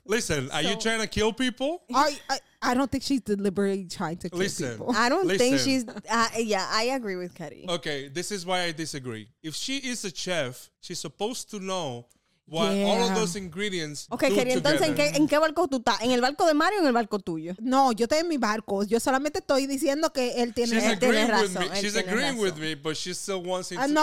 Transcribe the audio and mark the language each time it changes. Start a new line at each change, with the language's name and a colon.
English: Listen, are you trying to kill people? I don't think she's deliberately trying to kill people. I don't think she's... I agree with Kari. Okay, this is why I disagree. If she is a chef, she's supposed to know all of those ingredients okay, Kari,
Spanish: entonces, ¿en qué barco tú estás? ¿En el barco de Mario o en el barco tuyo? No, yo estoy en mi barco. Yo solamente estoy diciendo que él tiene razón.
English: She's agreeing with me, but she still wants it